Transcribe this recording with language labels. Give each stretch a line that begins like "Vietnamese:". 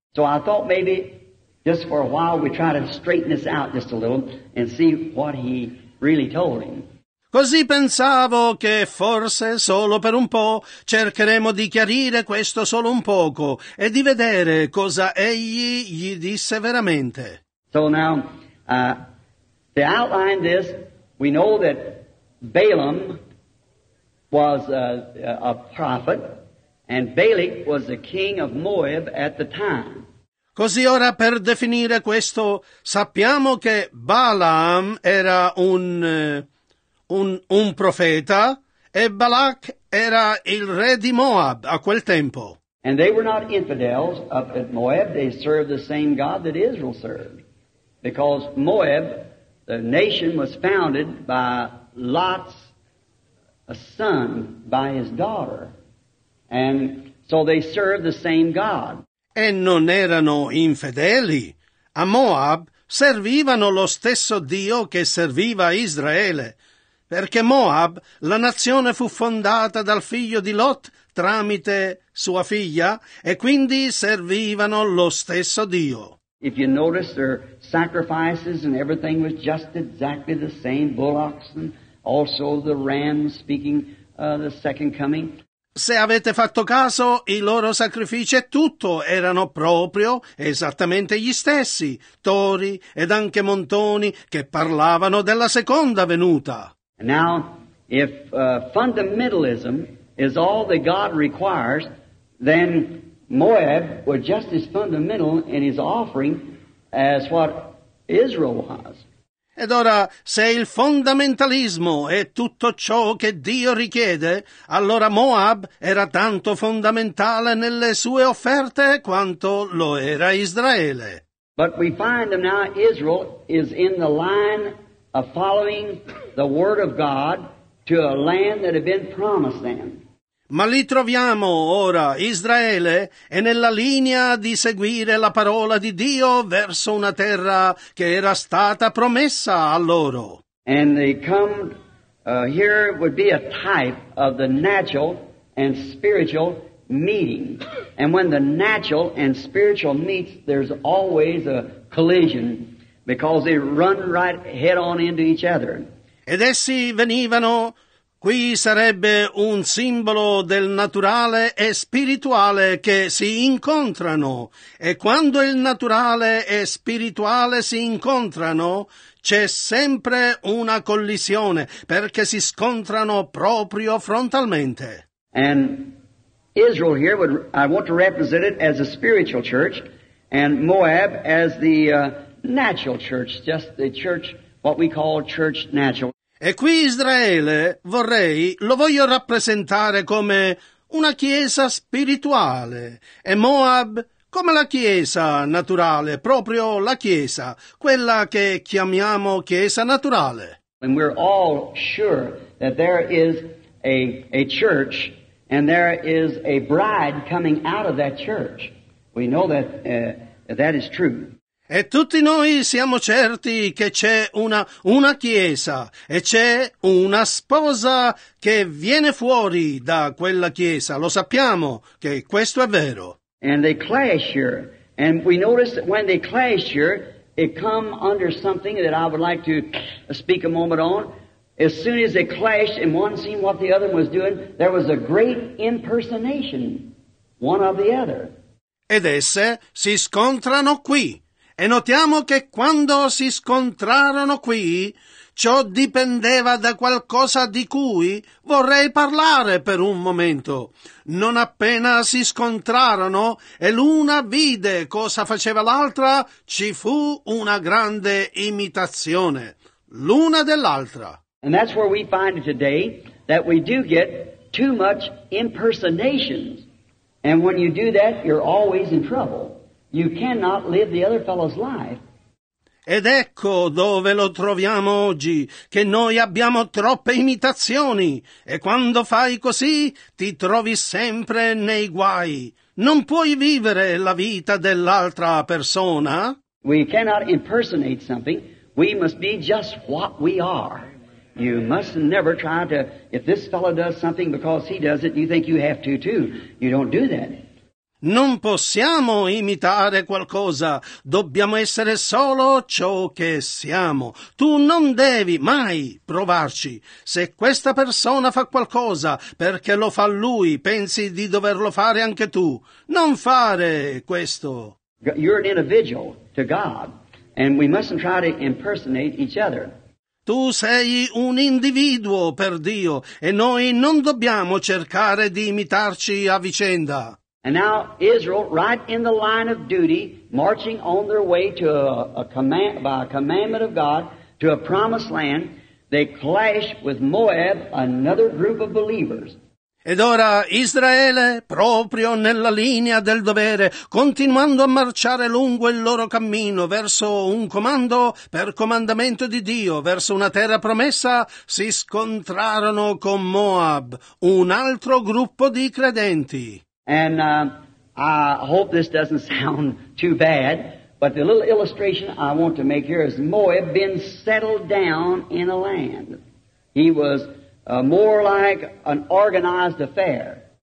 English: So I thought maybe just for a while we try to straighten this out just a little and see what he really told him.
Italian: Così pensavo che forse solo per un po' cercheremo di chiarire questo solo un poco e di vedere cosa egli gli disse veramente.
English: So now, to outline this, we know that Balaam was a prophet and Balak was the king of Moab at the time.
Italian: Così ora, per definire questo, sappiamo che Balaam era un profeta e Balak era il re di Moab a quel tempo.
English: And they were not infidels up at Moab. They served the same God that Israel served. Because Moab, the nation, was founded by Lot's son, by his daughter. And so they served the same God.
Italian: E non erano infedeli. A Moab servivano lo stesso Dio che serviva Israele, perché Moab, la nazione, fu fondata dal figlio di Lot tramite sua figlia, e quindi servivano lo stesso Dio.
English: If you notice, their sacrifices and everything was just exactly the same, bullocks and also the ram speaking the second coming.
Italian: Se avete fatto caso, i loro sacrifici e tutto erano proprio esattamente gli stessi, tori ed anche montoni che parlavano della seconda venuta.
English: Now, if fundamentalism is all that God requires, then Moab was just as fundamental in his offering as what Israel was.
Italian: Ed ora, se il fondamentalismo è tutto ciò che Dio richiede, allora Moab era tanto fondamentale nelle sue offerte quanto lo era Israele.
English: But we find them now Israel is in the line of following the word of God to a land that had been promised them.
Italian: Ma li troviamo ora, Israele, è nella linea di seguire la parola di Dio verso una terra che era stata promessa a loro.
English: And they come here would be a type of the natural and spiritual meeting. And when the natural and spiritual meets, there's always a collision because they run right head on into each other.
Italian: Ed essi venivano. Qui sarebbe un simbolo del naturale e spirituale che si incontrano. E quando il naturale e spirituale si incontrano, c'è sempre una collisione, perché si scontrano proprio frontalmente.
English: And Israel here, would, I want to represent it as a spiritual church, and Moab as the natural church, just the church, what we call church natural.
Italian: E qui Israele, vorrei, lo voglio rappresentare come una chiesa spirituale, e Moab come la chiesa naturale, proprio la chiesa, quella che chiamiamo chiesa naturale.
English: And we're all sure that there is a church and there is a bride coming out of that church. We know that that is true.
Italian: E tutti noi siamo certi che c'è una chiesa e c'è una sposa che viene fuori da quella chiesa. Lo sappiamo che questo è vero.
English: And they clash here. And we notice that when they clash here, it come under something that I would like to speak a moment on. As soon as they clashed and one seen what the other was doing, there was a great impersonation, one of the other.
Italian: Ed esse si scontrano qui. E notiamo che quando si scontrarono qui, ciò dipendeva da qualcosa di cui vorrei parlare per un momento. Non appena si scontrarono e l'una vide cosa faceva l'altra, ci fu una grande imitazione, l'una dell'altra.
English: And that's where we find today that we do get too much impersonations. And when you do that, you're always in trouble. You cannot live the other fellow's life.
Italian: Ed ecco dove lo troviamo oggi, che noi abbiamo troppe imitazioni, e quando fai così ti trovi sempre nei guai. Non puoi vivere la vita dell'altra persona.
English: We cannot impersonate something. We must be just what we are. You must never try to, if this fellow does something because he does it, you think you have to too. You don't do that.
Italian: Non possiamo imitare qualcosa, dobbiamo essere solo ciò che siamo. Tu non devi mai provarci. Se questa persona fa qualcosa perché lo fa lui, pensi di doverlo fare anche tu. Non fare questo.
English: You're an individual to God, and we mustn't try to impersonate each other.
Italian: Tu sei un individuo per Dio, e noi non dobbiamo cercare di imitarci a vicenda.
English: And now Israel, right in the line of duty, marching on their way to a command, by a commandment of God, to a promised land, they clash with Moab, another group of believers.
Italian: Ed ora Israele, proprio nella linea del dovere, continuando a marciare lungo il loro cammino verso un comando per comandamento di Dio, verso una terra promessa, si scontrarono con Moab, un altro gruppo di credenti.
English: And I hope this doesn't sound too bad, but the little illustration I want to make here is Moab been settled down in a land. He was more like an organized affair.